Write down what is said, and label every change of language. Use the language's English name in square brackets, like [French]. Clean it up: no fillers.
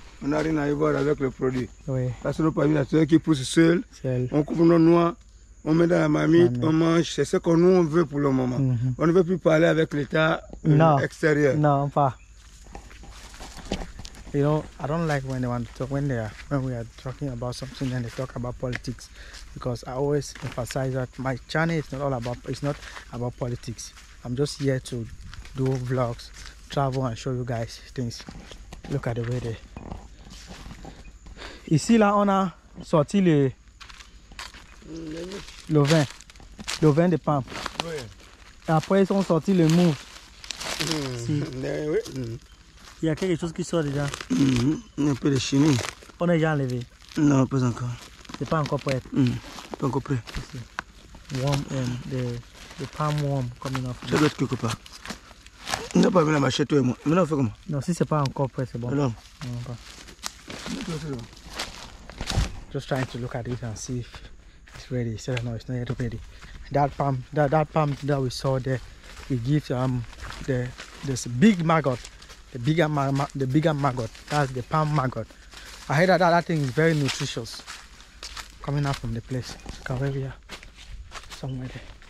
[French] On n'a rien à y voir avec le produit. Oui. Parce que le palmier naturel qui pousse seul. Seul. On couvre nos noix. On met dans la mamie, on mange, c'est ce que nous on veut pour le moment. Mm-hmm. On ne veut plus parler avec l'État extérieur. Non, pas. [English] You know, I don't like when they want to talk when we are talking about something and they talk about politics, because I always emphasize that my channel is not all about politics. I'm just here to do vlogs, travel and show you guys things. Look at the way they. [French] Ici là on a sorti le. Le vin de pampe. Oui. Après ils sont sortis le mou. Oui. Il y a quelque chose qui sort déjà. Un peu de chimie. On est déjà enlevé. Non, pas encore. C'est pas encore prêt. Pas encore prêt. [English] Warm, the palm warm coming off. [French] Ça doit être quelque part. On n'a pas vu la machette toi et moi. Maintenant on fait comment? Non, si c'est pas encore prêt, c'est bon. Non. Non, pas. [English] Just trying to look at it and see if. It's ready. So, no, it's not yet ready. That palm that we saw there, it gives this big maggot, the bigger maggot. That's the palm maggot. I heard that thing is very nutritious. Coming out from the place, Caveria, somewhere there.